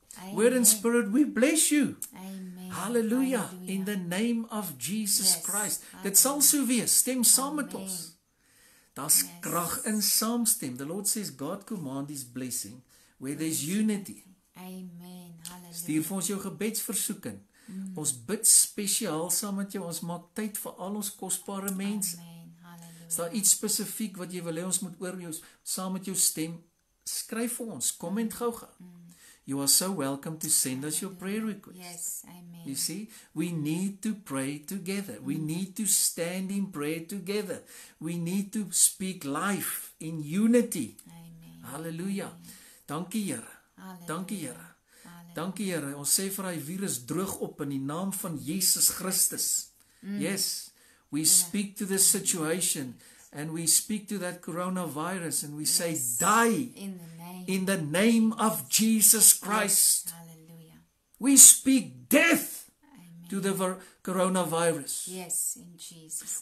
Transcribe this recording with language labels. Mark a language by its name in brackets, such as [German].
[English] Amen. Word and Spirit, we bless you. Amen. Hallelujah. Hallelujah. In the name of Jesus yes. Christ. Amen. [Afrikaans] Dit sal so wees. Stem saam met ons. Daar's [English] yes. [Afrikaans] krag in saamstem. [English] The Lord says God command his blessing where there's unity. Amen. Hallelujah. [Afrikaans] Stuur vir ons jou gebedsversoeke. Ons bid spesiaal saam met jou. Ons maak tyd vir al ons kosbare mense. [English] Amen. [Afrikaans] Is daar iets spesifiek wat jy wil hê ons moet oor jou, saam met jou stem, skryf vir ons, comment gou. [English] You are so welcome to send us your prayer request. Yes, amen. You see, we need to pray together. We need to stand in prayer together. We need to speak life in unity. Amen. Hallelujah. Amen. [Afrikaans] Dankie Here. Dankie Here. Dankie Here. Ons sê vir hy virus droog op in die naam van Jesus Christus. Yes. [English] We speak to this situation and we speak to that coronavirus and we say die in the name of Jesus Christ. Hallelujah. We speak death to the coronavirus. Yes, in Jesus.